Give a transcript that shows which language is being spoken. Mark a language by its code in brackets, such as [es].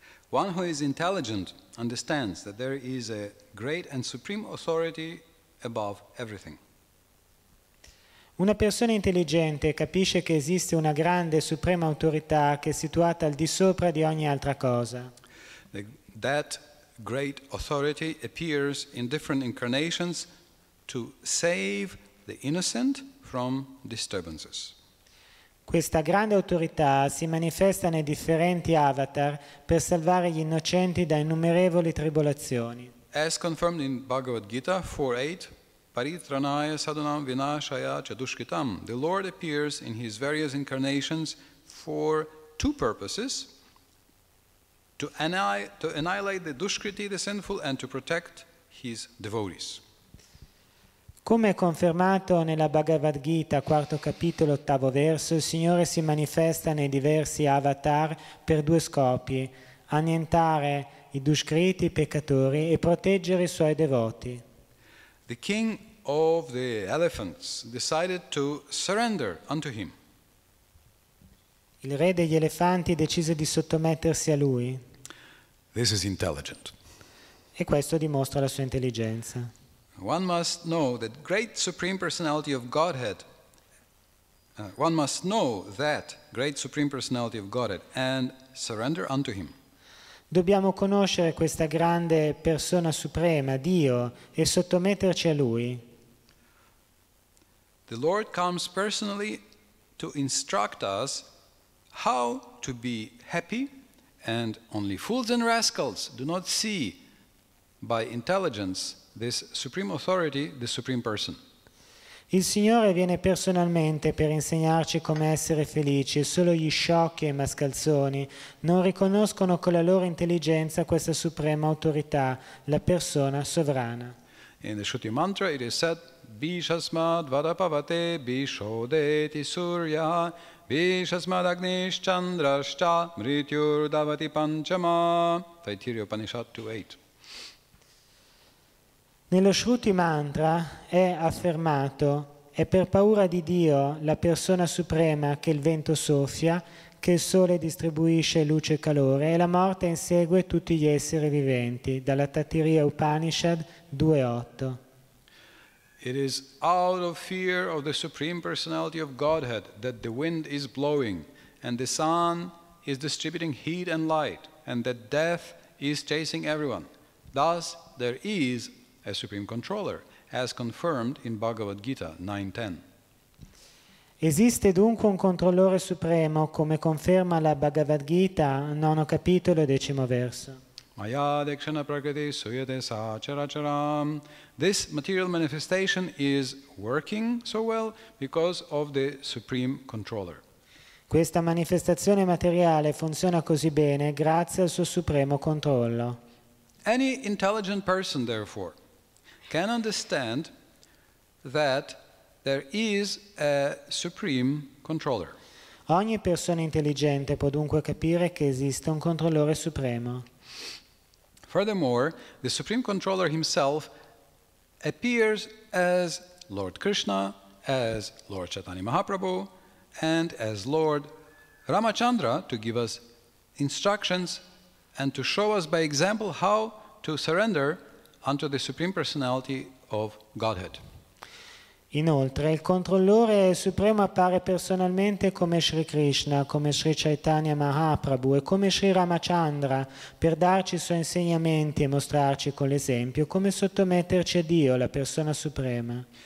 [en] One who is intelligent understands that there is a great and supreme authority above everything. [it] Una persona intelligente capisce che esiste una grande e suprema autorità che è situata al di sopra di ogni altra cosa. [en] That great authority appears in different incarnations to save the innocent from disturbances. [it] Questa grande autorità si manifesta nei differenti avatar per salvare gli innocenti da innumerevoli tribolazioni. [en] As confirmed in Bhagavad Gita 4.8, [sa] Paritranaya Sadhanam Vinashaya Chadushkitam, [en] the Lord appears in his various incarnations for two purposes, to annihilate the Dushkriti, the sinful, and to protect his devotees. [it] Come è confermato nella Bhagavad Gita, quarto capitolo, ottavo verso, il Signore si manifesta nei diversi avatar per due scopi, annientare i Dushkriti, i peccatori, e proteggere i suoi devoti. [en] The king of the elephants decided to surrender unto him. [it] Il re degli elefanti decise di sottomettersi a lui. [en] This is intelligent. [it] E questo dimostra la sua intelligenza. [en] One must know that great supreme personality of Godhead. One must know that great supreme personality of Godhead and surrender unto him. [it] Dobbiamo conoscere questa grande persona suprema, Dio, e sottometterci a lui. [en] The Lord comes personally to instruct us how to be happy, and only fools and rascals do not see by intelligence this supreme authority, the supreme person. [it] Il Signore viene personalmente per insegnarci come essere felici. Solo gli sciocchi e mascalzoni non riconoscono con la loro intelligenza questa suprema autorità, la persona sovrana. [sa] In the Shruti mantra it is said, Bishasmad vadapavate bishodeti surya, Bishasmad agnish chandrascha mrityur davati panchama. [en] Taittiriya Upanishad 2.8. [it] Nello Shruti mantra è affermato: è per paura di Dio, la persona suprema, che il vento soffia, che il sole distribuisce luce e calore, e la morte insegue tutti gli esseri viventi. Dalla Taittiriya Upanishad 2.8. [en] It is out of fear of the supreme personality of Godhead that the wind is blowing, and the sun is distributing heat and light, and that death is chasing everyone. Thus, there is a supreme controller, as confirmed in Bhagavad Gita 9.10. [it] Esiste dunque un controllore supremo, come conferma la Bhagavad Gita, nono capitolo, decimo verso. [sa] Maya dekshana prakriti suyate sa characharam. [en] This material manifestation is working so well because of the supreme controller. [it] Questa manifestazione materiale funziona così bene grazie al suo supremo controllo. [en] Any intelligent person, therefore, can understand that there is a supreme controller. [it] Ogni persona intelligente può dunque capire che esiste un controllore supremo. [en] Furthermore, the Supreme Controller himself appears as Lord Krishna, as Lord Chaitanya Mahaprabhu, and as Lord Ramachandra to give us instructions and to show us by example how to surrender unto the Supreme Personality of Godhead. [it] Inoltre, il controllore supremo appare personalmente come Sri Krishna, come Sri Chaitanya Mahaprabhu e come Sri Ramachandra per darci i suoi insegnamenti e mostrarci con l'esempio come sottometterci a Dio, la persona suprema.